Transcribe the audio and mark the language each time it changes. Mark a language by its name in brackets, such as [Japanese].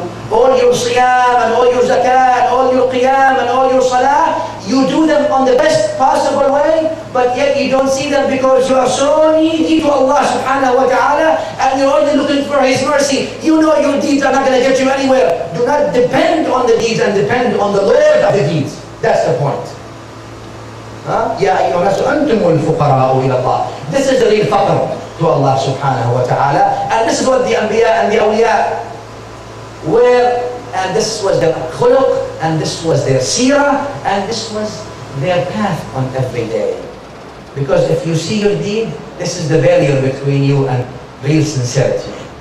[English] All your siyam and all your zakah and all your qiyam and all your salah, you do them on the best possible way, but yet you don't see them because you are so needy to Allah subhanahu wa ta'ala and you're only looking for His mercy. You know your deeds are not going to get you anywhere. Do not depend on the deeds and depend on the Lord of the deeds. That's the point. [Arabic] يا أيها الناس أنتم الفقراء إلى الله. [English] This is the real faqr to Allah subhanahu wa ta'ala. And this is what the anbiya and the awliya were. And this was their khuluq. And this was their seerah. And this was their path on every day. Because if you see your deed, this is the barrier between you and real sincerity.